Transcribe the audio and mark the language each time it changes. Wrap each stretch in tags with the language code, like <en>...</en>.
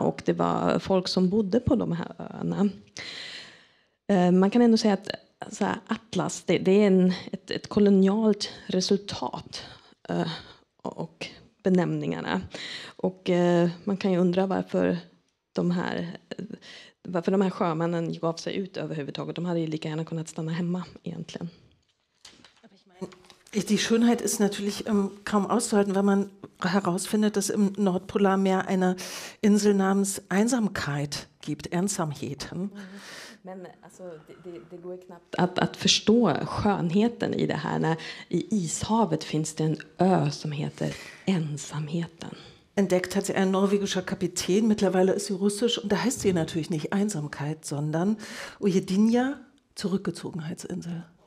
<sv>Och det var folk som bodde på de här öarna. Man kan ändå säga att så här, Atlas, det är ett kolonialt resultat. Och benämningarna. Och man kan ju undra varför de här sjömännen gav sig ut överhuvudtaget. De hade ju lika gärna kunnat stanna hemma egentligen.</sv> <de>Die Schönheit ist natürlich kaum auszuhalten, wenn man herausfindet, dass im Nordpolarmeer eine Insel namens Einsamkeit gibt, Ensamheten.</de> <sv>Men alltså, det går knappt att förstå skönheten i det här. När i ishavet finns det en ö som heter Ensamheten.</sv> <de>Entdeckt hat sie ein norwegischer Kapitän, mittlerweile ist sie russisch. Und da heißt sie natürlich nicht Einsamkeit, sondern Ujedinja, Zurückgezogenheitsinsel.</de>